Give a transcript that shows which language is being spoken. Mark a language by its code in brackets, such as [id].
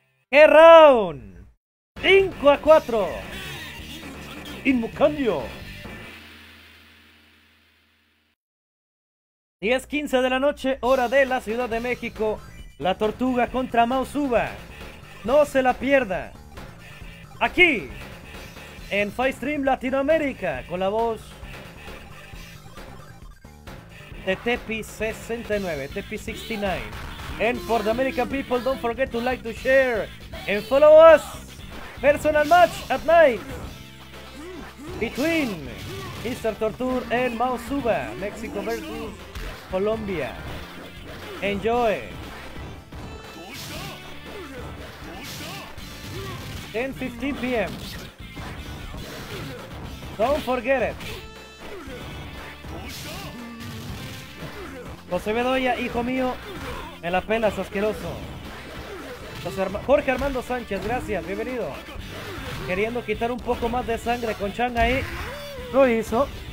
[es] ¡Qué round! 5-4. ¡Inmucambio! 10:15 de la noche, hora de la Ciudad de México. La Tortuga contra Mao Suba. No se la pierda. Aquí, en FightStream Latinoamérica, con la voz de Tepi69, [en] and for the American people, don't forget to like, to share, and follow us, personal match at night, between Mr. Torture and Mao Suba, Mexico versus Colombia, enjoy, and 15 p.m, don't forget it. [es] José Bedoya, hijo mío, me la pelas, asqueroso. Jorge Armando Sánchez, gracias, bienvenido. Queriendo quitar un poco más de sangre con Chang ahí. Lo hizo.